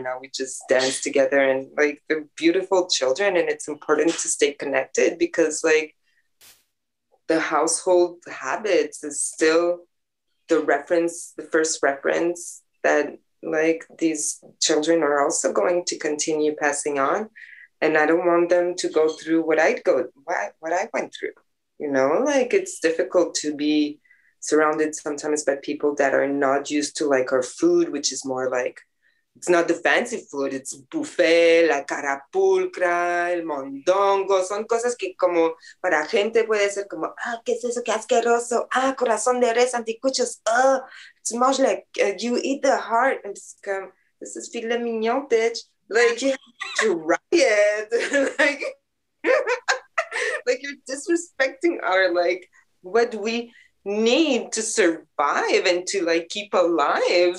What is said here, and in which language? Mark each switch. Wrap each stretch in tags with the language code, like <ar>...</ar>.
<en>Now we just dance together, and like, they're beautiful children, and it's important to stay connected, because like, the household habits is still the reference, the first reference that like, these children are also going to continue passing on. And I don't want them to go through what I went through, you know? Like, it's difficult to be surrounded sometimes by people that are not used to like our food, which is more like, it's not the fancy food. It's buffet, la carapulcra, el mondongo.</en> <es>Son cosas que como para gente puede ser como, ah, ¿qué es eso? ¿Qué asqueroso? Ah, corazón de res, anticuchos.</es> <en>It's much like you eat the heart. And it's come, this is filet mignon, bitch. Like, you try it. like you're disrespecting our, like, what we need to survive and to like keep alive.</en>